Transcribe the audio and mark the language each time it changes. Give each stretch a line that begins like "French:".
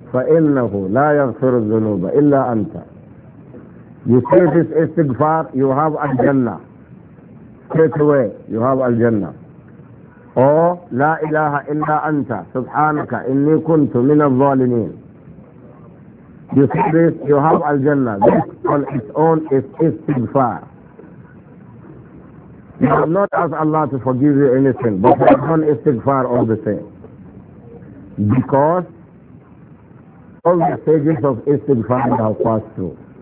Arabic: فإنه لا يغفر الذنوب إلا أنت.
English: You say this istighfar, you have al-Jannah. Straight away, you have al-Jannah.
Arabic: Or, لا إله إلا أنت, سبحانك إني كنت من الظالمين.
English: You say this, you have al-Jannah. This on its own is istighfar. You have not asked Allah to forgive you anything, but you have done istighfar all the same. Because all the stages of istighfar you have passed through.